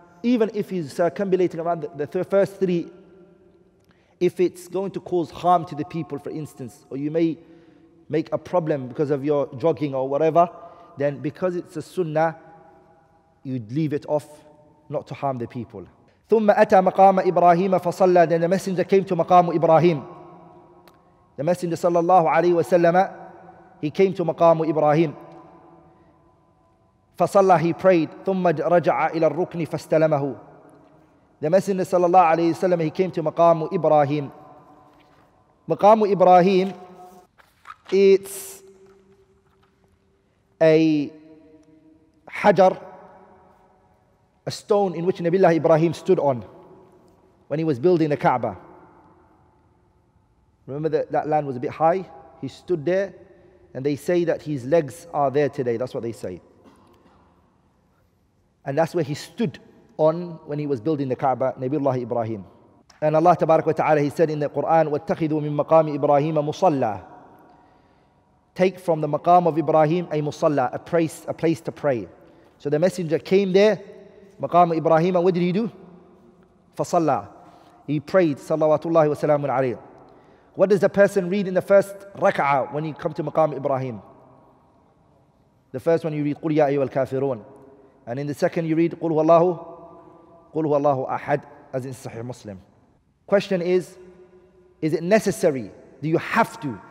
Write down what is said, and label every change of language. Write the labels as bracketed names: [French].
[English] even if he's circumambulating around the first three, if it's going to cause harm to the people, for instance, or you may make a problem because of your jogging or whatever, then because it's a sunnah, you'd leave it off, not to harm the people. [Arabic] ثم أتى مقام إبراهيم فصلى. [English] Then the messenger came to مقام إبراهيم. The messenger صلى الله عليه وسلم, he came to مقام إبراهيم. [Arabic] فصلى, [English] he prayed. [Arabic] ثم رجع إلى الركن فاستلمه. [English] The messenger صلى الله عليه وسلم, he came to مقام إبراهيم. مقام إبراهيم, it's a حجر, a stone in which Nabiullah Ibrahim stood on when he was building the Kaaba. Remember that land was a bit high? He stood there, and they say that his legs are there today. That's what they say. And that's where he stood on when he was building the Kaaba, Nabiullah Ibrahim. And Allah Tabarak wa Ta'ala, he said in the Quran, [Arabic] وَاتَّخِذُوا مِن مَقَامِ إِبْرَاهِيمَ مُصَلَّى. [English] Take from the maqam of Ibrahim a musalla, a place to pray. So the messenger came there, مقام إبراهيم, what did he do? [Arabic] فصلى. [English] He prayed, [Arabic] صلوات الله وسلام عليه. [English] What does the person read in the first rak'ah when you come to مقام إبراهيم? The first one you read, قل يا أيها الكافرون. And in the second you read, قل هو الله أحد, as in Sahih Muslim. Question is it necessary? Do you have to?